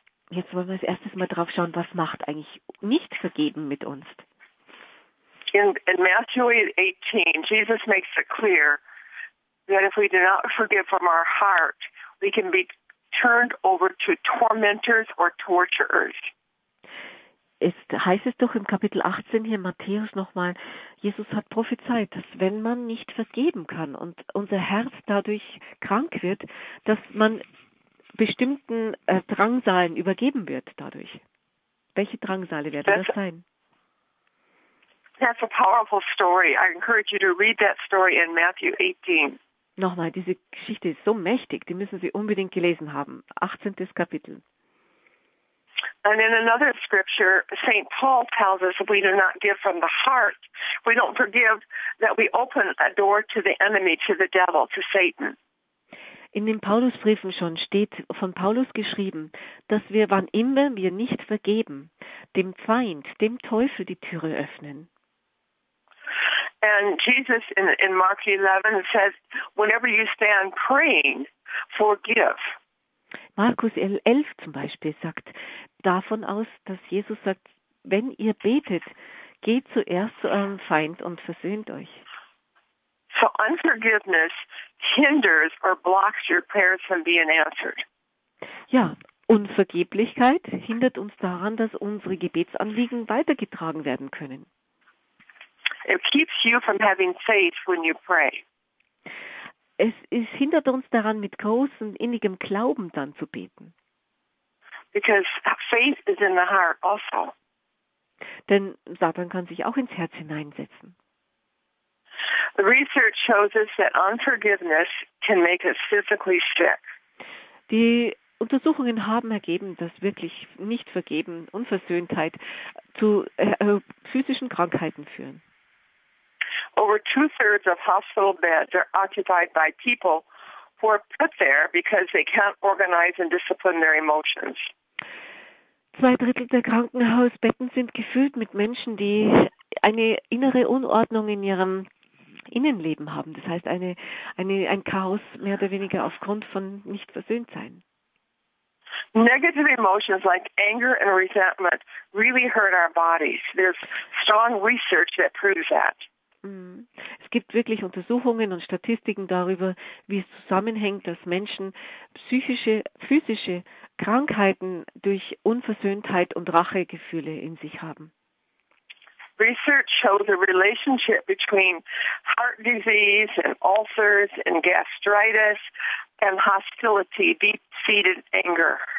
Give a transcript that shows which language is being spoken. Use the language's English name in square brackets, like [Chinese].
[German] Jetzt wollen wir als erstes mal drauf schauen, was macht eigentlich nicht vergeben mit uns. [English] In Matthew 18, Jesus makes it clear that if we do not forgive from our heart, we can be turned over to tormentors or torturers. [German] Es heißt es doch im Kapitel 18 hier Matthäus nochmal, Jesus hat prophezeit, dass wenn man nicht vergeben kann und unser Herz dadurch krank wird, dass man bestimmten Drangsalen übergeben wird dadurch. Welche Drangsale werden das sein? [English] That's a powerful story. I encourage you to read that story in Matthew 18. [German] Nochmal, diese Geschichte ist so mächtig, die müssen Sie unbedingt gelesen haben. 18. Kapitel. [English] And in another scripture, St. Paul tells us if we do not give from the heart, we don't forgive, that we open a door to the enemy, to the devil, to Satan. [German] In den Paulusbriefen schon steht von Paulus geschrieben, dass wir, wann immer wir nicht vergeben, dem Feind, dem Teufel die Türe öffnen. [English] And Jesus in Mark 11 says, whenever you stand praying, forgive. [German] Markus 11 zum Beispiel sagt davon aus, dass Jesus sagt, wenn ihr betet, geht zuerst zu eurem Feind und versöhnt euch. [English] So unforgiveness hinders or blocks your prayers from being answered. [German] Ja, Unvergeblichkeit hindert uns daran, dass unsere Gebetsanliegen weitergetragen werden können. [English] It keeps you from having faith when you pray. [German] Es hindert uns daran, mit großem innigem Glauben dann zu beten. [English] Because faith is in the heart also. [German] Denn Satan kann sich auch ins Herz hineinsetzen. [English] The research shows us that unforgiveness can make us physically sick. [German] Die Untersuchungen haben ergeben, dass wirklich nicht vergeben, Unversöhntheit zu physischen Krankheiten führen. [English] Over 2/3 of hospital beds are occupied by people who are put there because they can't organize and discipline their emotions. [German] 2/3 der Krankenhausbetten sind gefüllt mit Menschen, die eine innere Unordnung in ihrem Innenleben haben, das heißt ein Chaos mehr oder weniger aufgrund von nicht versöhnt sein. [English] Negative emotions like anger and resentment really hurt our bodies. There's strong research that proves that. [German] Es gibt wirklich Untersuchungen und Statistiken darüber, wie es zusammenhängt, dass Menschen psychische, physische Krankheiten durch Unversöhntheit und Rachegefühle in sich haben. [English] Research shows a relationship between heart disease and ulcers and gastritis and hostility, deep-seated anger.